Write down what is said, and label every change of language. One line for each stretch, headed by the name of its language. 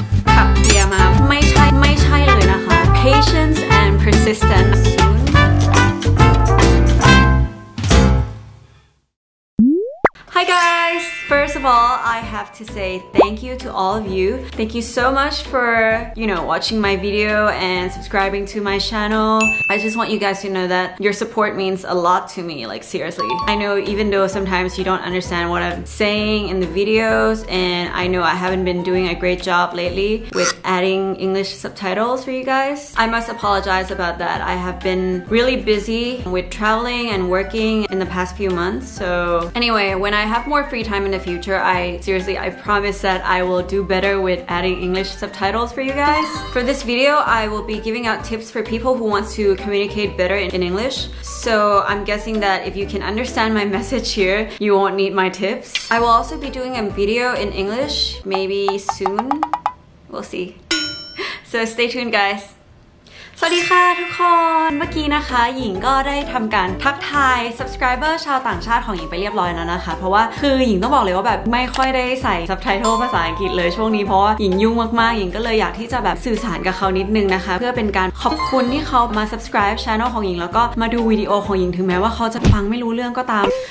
Thai: ค่ะ เดี๋ยวมา ไม่ใช่เลยนะคะ
English: Patience and persistence Hi guys! First of all, I have to say thank you to all of you. Thank you so much for, you know, watching my video and subscribing to my channel. I just want you guys to know that your support means a lot to me, like seriously. I know even though sometimes you don't understand what I'm saying in the videos, and I know I haven't been doing a great job lately with adding English subtitles for you guys. I must apologize about that. I have been really busy with traveling and working in the past few months. So anyway, when I have more free time in the future, I promise that I will do better with adding English subtitles for you guys. For this video, I will be giving out tips for people who want to communicate better in English. So I'm guessing that if you can understand my message here, you won't need my tips. I will also be doing a video in English, maybe soon. We'll see. So stay tuned, guys.
Thai: สวัสดีค่ะทุกคนเมื่อกี้นะคะหญิงก็ได้ทำการทักทาย subscriber ชาวต่างชาติของหญิงไปเรียบร้อยแล้วนะคะเพราะว่าคือหญิงต้องบอกเลยว่าแบบไม่ค่อยได้ใส่ subtitle ภาษาอังกฤษเลยช่วงนี้เพราะว่าหญิงยุ่งมากๆหญิงก็เลยอยากที่จะแบบสื่อสารกับเขานิดนึงนะคะเพื่อเป็นการขอบคุณที่เขามา subscribe channel ของหญิงแล้วก็มาดูวิดีโอของหญิงถึงแม้ว่าเขาจะฟังไม่รู้เรื่องก็ตาม